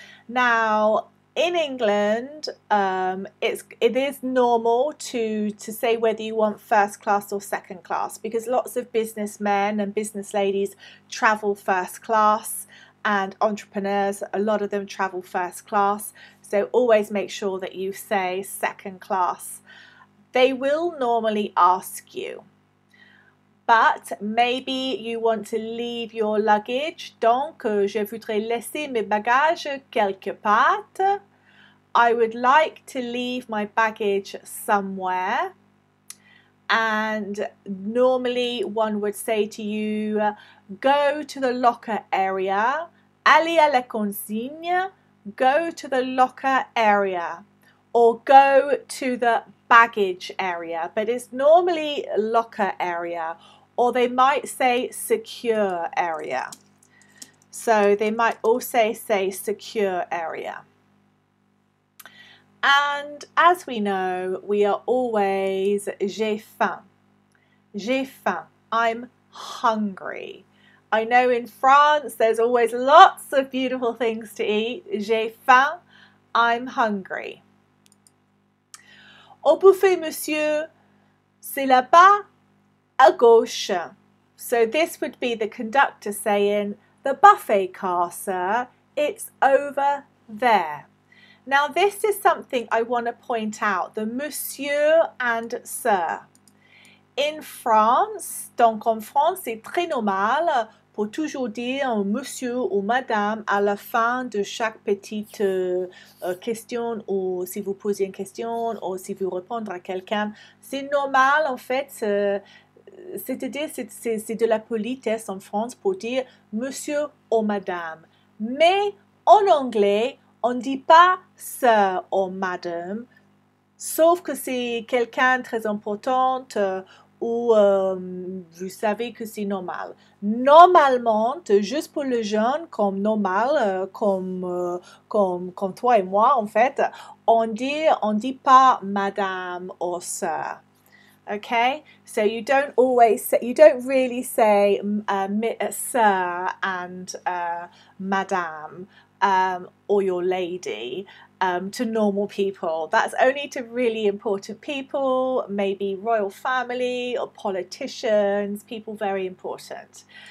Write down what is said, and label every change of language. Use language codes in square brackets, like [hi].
[en] Now, in England, it is normal to say whether you want first class or second class because lots of businessmen and business ladies travel first class. And entrepreneurs, a lot of them travel first class. So always make sure that you say second class. They will normally ask you, But maybe you want to leave your luggage. [fr] Donc, je voudrais laisser mes bagages quelque part. [en] I would like to leave my baggage somewhere. And normally one would say to you, go to the locker area. [fr] Allez à la consigne. [en] Go to the locker area. Or go to the baggage area. But it's normally locker area. Or they might say secure area. So they might also say secure area. And as we know, we are always, [fr] j'ai faim, [en] I'm hungry. I know in France, there's always lots of beautiful things to eat. [fr] J'ai faim, [en] I'm hungry. [fr] Au buffet, monsieur, c'est là-bas, à gauche. [en] So this would be the conductor saying, the buffet car, sir, it's over there. Now, this is something I want to point out, the monsieur and sir. In France, [fr] donc en France, c'est très normal pour toujours dire monsieur ou madame à la fin de chaque petite question ou si vous posez une question ou si vous répondez à quelqu'un. C'est normal, en fait, c'est-à-dire c'est de la politesse en France pour dire monsieur ou madame. Mais en anglais, on ne dit pas « sir » ou « madame », sauf que c'est quelqu'un très important ou vous savez que c'est normal. Normalement, juste pour le jeune, comme normal, comme toi et moi en fait, on dit pas « madame » ou « sir ». [en] Okay, so you don't always say, you don't really say sir and madame or your lady to normal people. That's only to really important people, maybe royal family or politicians, people very important.